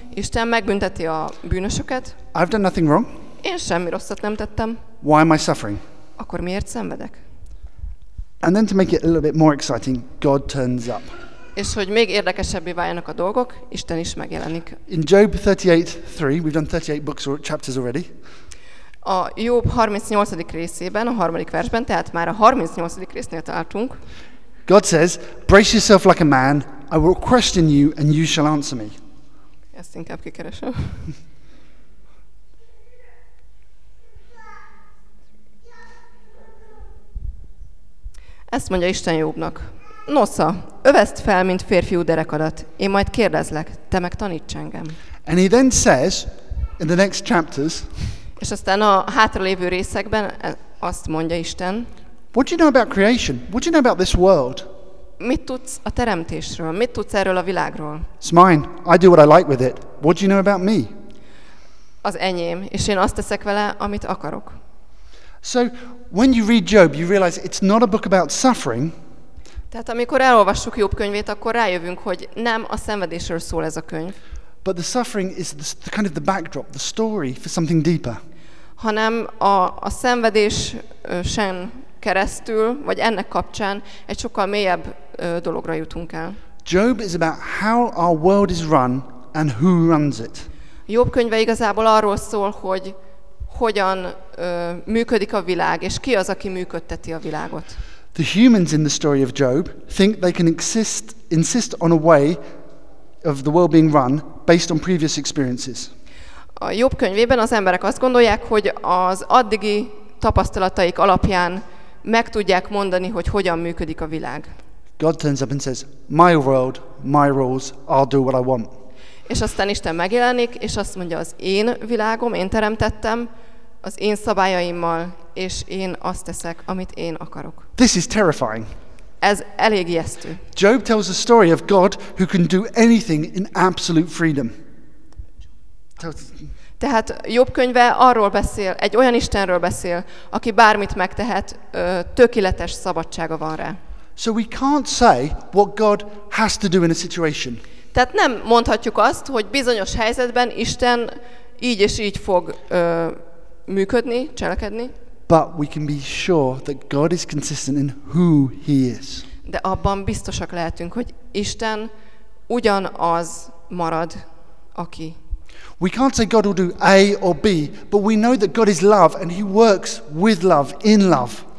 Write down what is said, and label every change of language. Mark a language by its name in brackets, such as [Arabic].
[Hungarian] Isten megbünteti a bűnösöket. [English] I've done nothing wrong. [Hungarian] Én semmi rosszat nem tettem. [English] Why am I suffering? [Hungarian] Akkor miért szenvedek? [English] And then to make it a little bit more exciting, God turns up. [Hungarian] És hogy még érdekesebbé váljanak a dolgok, Isten is megjelenik. [English] In Job 38:3, we've done 38 books or chapters already. [Hungarian] A Job 38. részében, a harmadik versben, tehát már a 38. résznél tartunk. [English] God says, brace yourself like a man, I will question you and you shall answer me. [Hungarian] Ezt inkább kikeresem. Ezt mondja Isten Jobnak. Nosza, övezd fel, mint férfiú derekadat. Én majd kérdezlek, te meg taníts engem. [English] And he then says, in the next chapters, [Hungarian] És aztán a hátralévő részekben azt mondja Isten. [English] What do you know about creation? What do you know about this world? [Hungarian] Mit tudsz a teremtésről? Mit tudsz erről a világról? [English] It's mine. I do what I like with it. What do you know about me? [Hungarian] Az enyém, és én azt teszek vele, amit akarok. [English] So, when you read Job, you realize it's not a book about suffering. [Hungarian] Tehát amikor elolvassuk Jobb könyvét, akkor rájövünk, hogy nem a szenvedésről szól ez a könyv. [English] But the suffering is the kind of the backdrop, the story for something deeper. [Hungarian] Hanem a szenvedés sem keresztül, vagy ennek kapcsán egy sokkal mélyebb dologra jutunk el. [English] Job is about how our world is run and who runs it. [Hungarian] Jobb könyve igazából arról szól, hogy hogyan működik a világ, és ki az, aki működteti a világot. [English] The humans in the story of Job think they can insist on a way of the world being run based on previous experiences. [Hungarian] A Jobb könyvében az emberek azt gondolják, hogy az addigi tapasztalataik alapján meg tudják mondani, hogy hogyan működik a világ. [English] God turns up and says, my world, my rules, I'll do what I want. [Hungarian] És aztán Isten megjelenik, és azt mondja, az én világom, én teremtettem, az én szabályaimmal, és én azt teszek, amit én akarok. [English] This is terrifying. [Hungarian] Ez elég ijesztő. [English] Job tells a story of God who can do anything in absolute freedom. [Hungarian] Tehát Jobb könyve arról beszél, egy olyan Istenről beszél, aki bármit megtehet, tökéletes szabadsága van rá. [English] So we can't say what God has to do in a situation. [Hungarian] Tehát nem mondhatjuk azt, hogy bizonyos helyzetben Isten így és így fog működni, cselekedni. [English] But we can be sure that God is consistent in who he is. [Hungarian] De abban biztosak lehetünk, hogy Isten ugyanaz marad, aki. [English] We can't say God will do A or B, but we know that God is love and he works with love, in love.